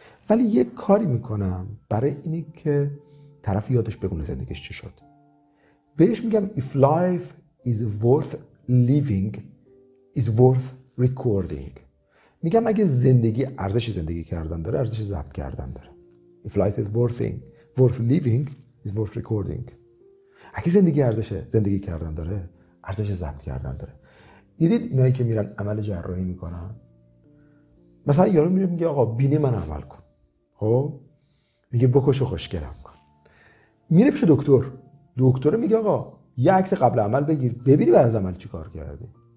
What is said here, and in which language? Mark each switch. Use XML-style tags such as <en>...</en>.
<fa>ولی یه کاری میکنم برای اینی که طرف یادش بگونه زندگیش چی شد، بهش میگم</fa> <en>if life is worth living is worth recording.</en> <fa>میگم اگه زندگی ارزش زندگی کردن داره، ارزش ضبط کردن داره.</fa> <en>If life is worth living is worth recording.</en> <fa>اگه زندگی ارزشه زندگی کردن داره، ارزش ضبط کردن داره. دیدید اینایی که میرن عمل جراحی میکنن، مثلا یارو میره میگه آقا بینی من عمل کن، خب میگه بکش و خوشگلم کن، میره پیش دکتر، دکتر میگه آقا یه عکس قبل عمل بگیر ببینی بعد از عمل چی کار کردی.</fa>